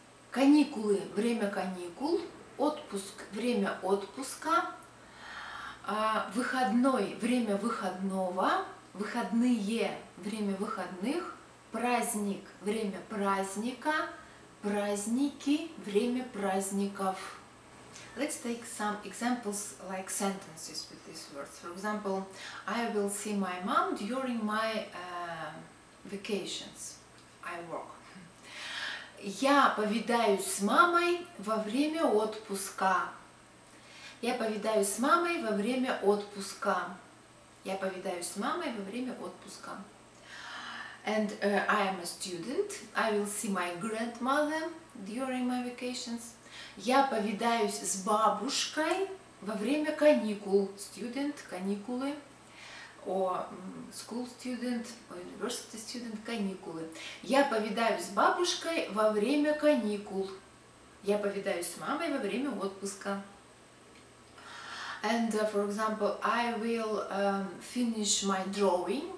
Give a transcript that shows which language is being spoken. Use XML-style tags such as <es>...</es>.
<ru>Каникулы, время каникул, отпуск, время отпуска, выходной, время выходного, выходные, время выходных, праздник, время праздника, праздники, время праздников.</ru> <en>Let's take some examples like sentences with these words. For example, I will see my mom during my vacations. I work.</en> <ru>Я повидаюсь с мамой во время отпуска. Я повидаюсь с мамой во время отпуска. Я повидаюсь с мамой во время отпуска.</ru> <en>And I am a student. I will see my grandmother during my vacations.</en> <ru>Я повидаюсь с бабушкой во время каникул.</ru> <en>Student, каникулы. Or school student, or university student, каникулы.</en> <ru>Я повидаюсь с бабушкой во время каникул. Я повидаюсь с мамой во время отпуска.</ru> <en>And, for example, I will finish my drawing.</en>